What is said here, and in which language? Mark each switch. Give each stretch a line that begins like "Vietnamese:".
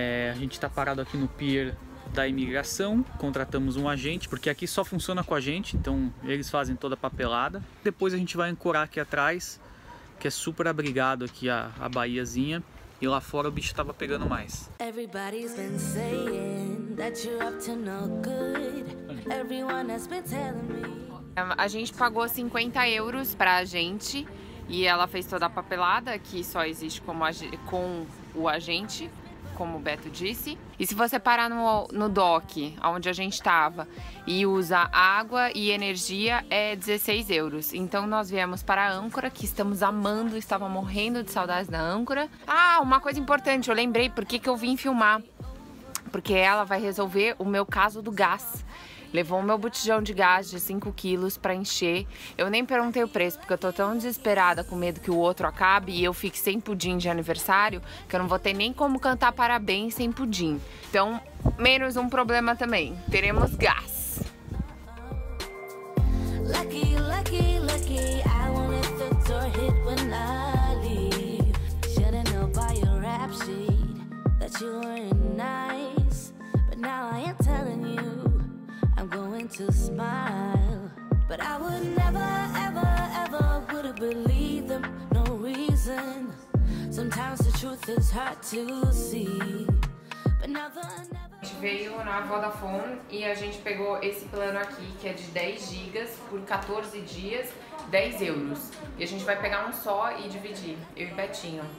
Portuguese: A gente está parado aqui no pier da imigração, contratamos um agente, porque aqui só funciona com a gente, então eles fazem toda a papelada. Depois a gente vai ancorar aqui atrás, que é super abrigado aqui a baiazinha, e lá fora o bicho tava pegando mais.
English: Everybody's been saying that you're up to no good. Everyone has been telling me.
Portuguese: A gente pagou 50 euros pra gente, E ela fez toda a papelada, que só existe como com o agente, como o Beto disse. E se você parar no dock, onde a gente estava, e usa água e energia, é 16 euros. Então nós viemos para a âncora, que estamos amando, estava morrendo de saudades da âncora. Ah, uma coisa importante, eu lembrei por que eu vim filmar. Porque ela vai resolver o meu caso do gás. Levou o meu botijão de gás de 5 quilos para encher. Eu nem perguntei o preço, porque eu tô tão desesperada com medo que o outro acabe e eu fique sem pudim de aniversário, que eu não vou ter nem como cantar parabéns sem pudim. Então, menos um problema também. Teremos gás.
English: Lucky, lucky, lucky, I won't let the door hit when I leave. Should've known by your rap sheet that you weren't nice. But now I am telling you I'm going to smile. But I would never, ever, ever would have believed them, no reason. Sometimes the truth is hard to see. But never, never.
Portuguese: A gente veio na Vodafone e a gente pegou esse plano aqui, que é de 10 gigas por 14 dias, 10 euros. E a gente vai pegar um só e dividir, eu e Betinho.